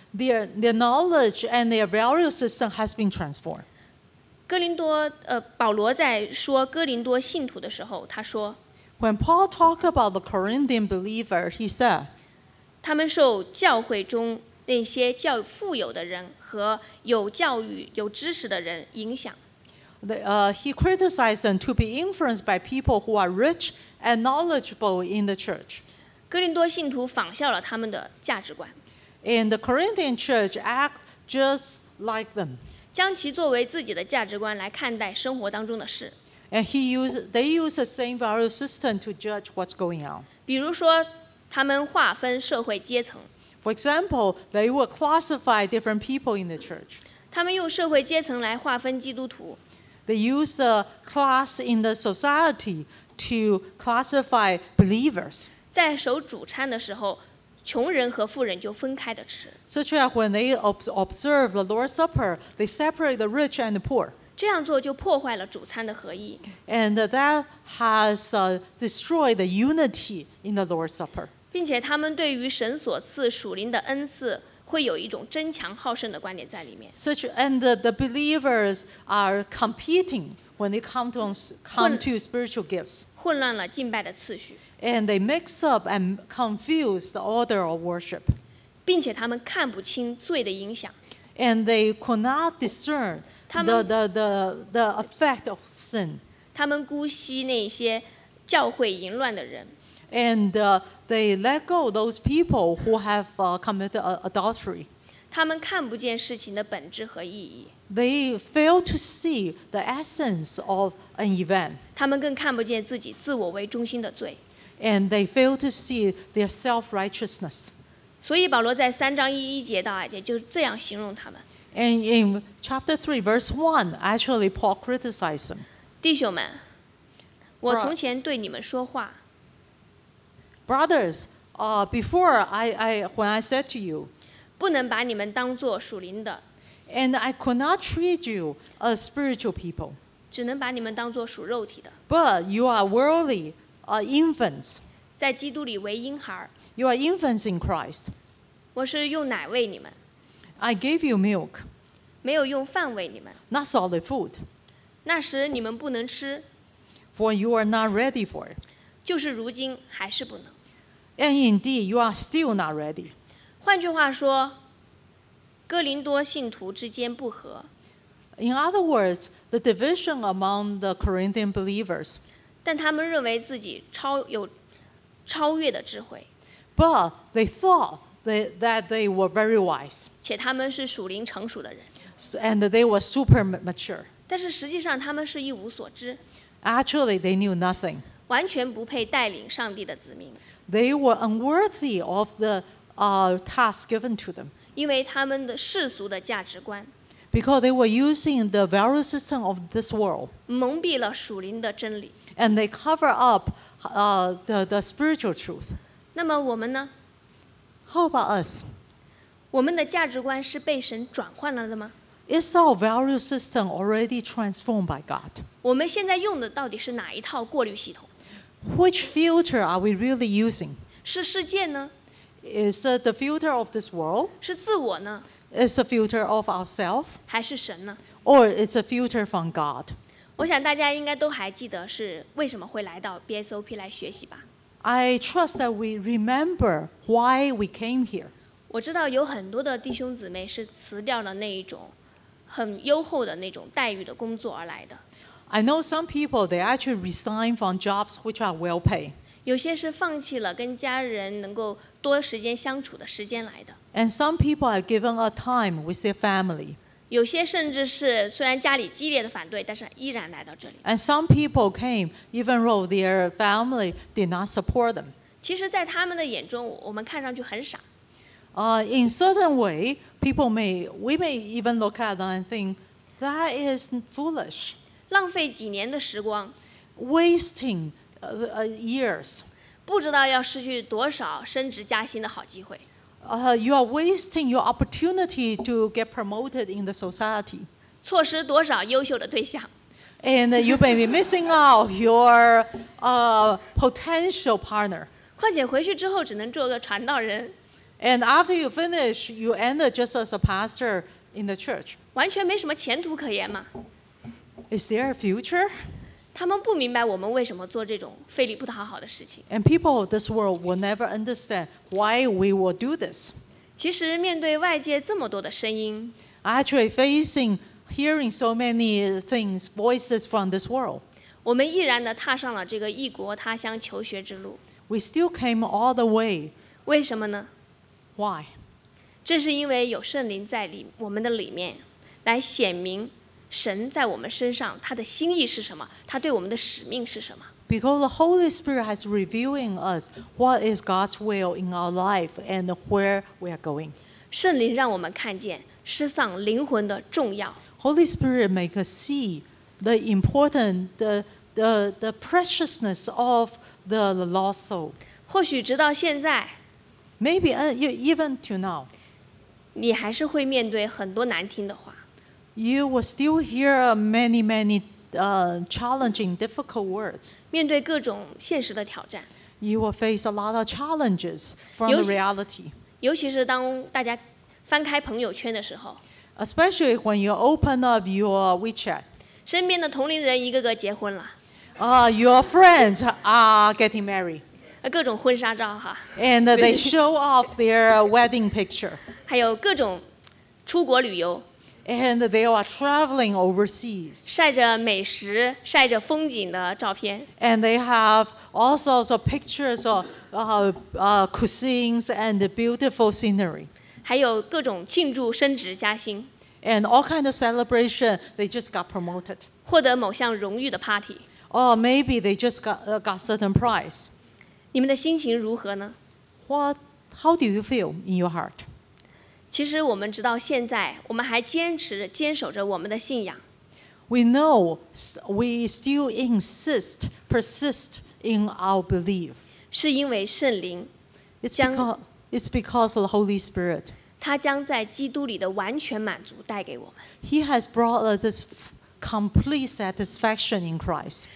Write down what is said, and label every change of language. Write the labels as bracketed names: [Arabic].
[English] Their knowledge and their value system has been transformed. [Chinese] 哥林多保罗在说哥林多信徒的时候，他说 [English] ，When Paul talked about the Corinthian believer, he said, [Chinese] 他们受教会中那些较富有的人和有教育、有知识的人影响。 [English] He criticized them to be influenced by people who are rich and knowledgeable in the church. [Chinese] 哥林多信徒仿效了他们的价值观。 [English] And the Corinthian church act just like them. [Chinese] 将其作为自己的价值观来看待生活当中的事。 [English] And they use the same value system to judge what's going on. [Chinese] 比如说，他们划分社会阶层。 [English] For example, they will classify different people in the church. [Chinese] 他们用社会阶层来划分基督徒。 [English] They use the class in the society to classify believers. [Chinese] 在守主餐的时候，穷人和富人就分开的吃。 [English] Such that when they observe the Lord's Supper, they separate the rich and the poor. [Chinese] 这样做就破坏了主餐的合一。 [English] And that has destroyed the unity in the Lord's Supper. [Chinese] 并且他们对于神所赐属灵的恩赐会有一种争强好胜的观点在里面。 [English] Such and the believers are competing when they come to spiritual gifts. [Chinese] 混乱了敬拜的次序。 [English] And they mix up and confuse the order of worship. [Chinese] 并且他们看不清罪的影响。 [English] And they could not discern the effect of sin. [Chinese] 他们姑息那些教会淫乱的人。 [English] And they let go those people who have committed adultery. [Chinese] 他们看不见事情的本质和意义。 [English] They fail to see the essence of an event. [Chinese] 他们更看不见自己自我为中心的罪。 [English] And they fail to see their self-righteousness. [Chinese] 所以保罗在三章一节到二节就这样形容他们。 [English] And in chapter 3, verse 1, actually Paul criticized them. [Chinese] 弟兄们，我从前对你们说话。 [English] Brothers, before when I said to you, [Chinese] 不能把你们当作属灵的。 [English] And I could not treat you as spiritual people. [Chinese] 只能把你们当作属肉体的。 [English] But you are worldly, infants. [Chinese] 在基督里为婴孩。 [English] You are infants in Christ. [Chinese] 我是用奶喂你们。 [English] I gave you milk. [Chinese] 没有用饭喂你们。 [English] Not solid food. [Chinese] 那时你们不能吃。 [English] For you are not ready for it. [Chinese] 就是如今还是不能。 [English] And indeed, you are still not ready. [Chinese] 换句话说，哥林多信徒之间不和。 [English] In other words, the division among the Corinthian believers. [Chinese] 但他们认为自己有超越的智慧。 [English] But they thought that they were very wise. [Chinese] 且他们是属灵成熟的人。 [English] And they were super mature. [Chinese] 但是实际上他们是一无所知。 [English] Actually, they knew nothing. [Chinese] 完全不配带领上帝的子民。 [English] They were unworthy of the task given to them. [Chinese] 因为他们的世俗的价值观。 [English] Because they were using the value system of this world. [Chinese] 蒙蔽了属灵的真理。 [English] And they cover up the spiritual truth. [Chinese] 那么我们呢？ [English] How about us? [Chinese] 我们的价值观是被神转换了的吗？ [English] Is our value system already transformed by God? [Chinese] 我们现在用的到底是哪一套过滤系统？ [English] Which filter are we really using? [Chinese] 是世界呢？ [English] Is it the filter of this world? [Chinese] 是自我呢？ [English] Is a filter of ourselves? [Chinese] 还是神呢？ [English] Or is a filter from God? [Chinese] 我想大家应该都还记得是为什么会来到 BSOP 来学习吧。 [English] I trust that we remember why we came here. [Chinese] 我知道有很多的弟兄姊妹是辞掉了那一种很优厚的那种待遇的工作而来的。 [English] I know some people they actually resign from jobs which are well paid. [Chinese] 有些是放弃了跟家人能够多时间相处的时间来的。 [English] And some people are given a time with their family. [Chinese] 有些甚至是虽然家里激烈的反对，但是依然来到这里。 [English] And some people came even though their family did not support them. [Chinese] 其实，在他们的眼中，我们看上去很傻。 [English] In certain way, we may even look at them and think that is foolish. [Chinese] 浪费几年的时光。 [English] Wasting years. [Chinese] 不知道要失去多少升职加薪的好机会。 [English] You are wasting your opportunity to get promoted in the society. [Chinese] 错失多少优秀的对象。 [English] And you may be missing out your potential partner. [Chinese] 况且回去之后只能做个传道人。 [English] And after you finish, you end up just as a pastor in the church. [Chinese] 完全没什么前途可言吗？ [English] Is there a future? [Chinese] 他们不明白我们为什么做这种费力不讨好的事情。 [English] And people of this world will never understand why we will do this. [Chinese] 其实面对外界这么多的声音， [English] Actually facing hearing so many things, voices from this world. [Chinese] 我们毅然地踏上了这个异国他乡求学之路。 [English] We still came all the way. [Chinese] 为什么呢？ [English] Why? [Chinese] 这是因为有圣灵在我们的里面来显明神在我们身上他的心意是什么，他对我们的使命是什么。 [English] Because the Holy Spirit has revealed in us what is God's will in our life and where we are going. [Chinese] 圣灵让我们看见失丧灵魂的重要。 [English] Holy Spirit make us see the important, the preciousness of the lost soul. [Chinese] 或许直到现在， [English] Maybe even to now, [Chinese] 你还是会面对很多难听的话。 [English] You will still hear many, many challenging, difficult words. [Chinese] 面对各种现实的挑战。 [English] You will face a lot of challenges from the reality. [Chinese] 尤其是当大家翻开朋友圈的时候 [English] especially when you open up your WeChat， [Chinese] 身边的同龄人一个个结婚了 [English] your friends are getting married， [Chinese] 各种婚纱照哈 [English] and they show off their wedding picture， [Chinese] 还有各种出国旅游 [English] and they are traveling overseas， [Chinese] 晒着美食晒着风景的照片 [English] and they have all sorts of pictures of cuisines and beautiful scenery， [Chinese] 还有各种庆祝升职加薪 [English] and all kind of celebration they just got promoted， [Chinese] 获得某项荣誉的 party， [English] or maybe they just got certain prize， [Chinese] 你们的心情如何呢？ [English] How do you feel in your heart？ [Chinese] 其实我们直到现在，我们还坚守着我们的信仰。 [English] We know we still insist, persist in our belief. [Chinese] 是因为圣灵。 [English] It's because of the Holy Spirit. [Chinese] 他将在基督里的完全满足带给我们。 [English] He has brought us this complete satisfaction in Christ.